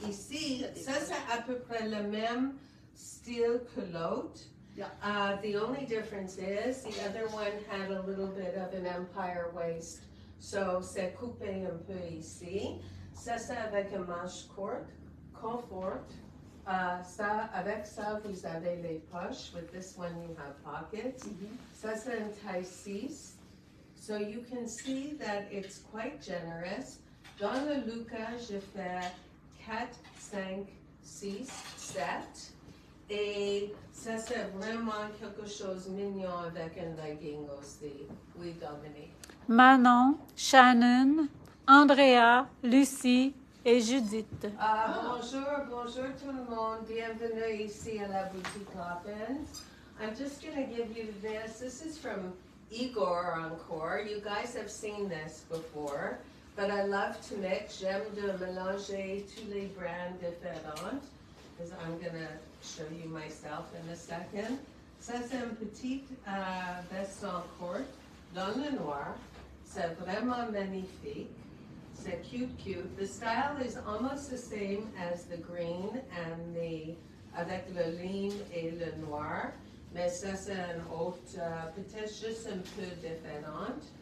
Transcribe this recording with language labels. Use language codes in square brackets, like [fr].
[fr] Ici, ça c'est à peu près le même style que l'autre. [en] Yeah. The only difference is the other one had a little bit of an empire waist. [fr] So c'est coupé un peu ici. Ça c'est avec un manche court, confort. Ça, avec ça, vous avez les poches. [en] With this one, you have pockets. Mm-hmm. [fr] Ça, c'est un taille 6. [en] So you can see that it's quite generous. [fr] Dans le Luca, je fais 4, 5, 6, 7. Et ça, c'est vraiment quelque chose de mignon avec un legging aussi. Oui, Dominique. Manon, Shannon, Andrea, Lucie, et Judith. Bonjour, bonjour tout le monde. Bienvenue ici à la boutique Hoppins. [en] I'm just going to give you this. This is from Igor Encore. You guys have seen this before, but I love to mix. [fr] J'aime de mélanger tous les brands différents. [en] Because I'm going to show you myself in a second. [fr] Ça, c'est un petit vest en court dans le noir. C'est vraiment magnifique. C'est cute, cute. [en] The style is almost the same as the green and the, [fr] avec le lime et le noir. Mais ça, c'est un haut, peut-être juste un peu différent.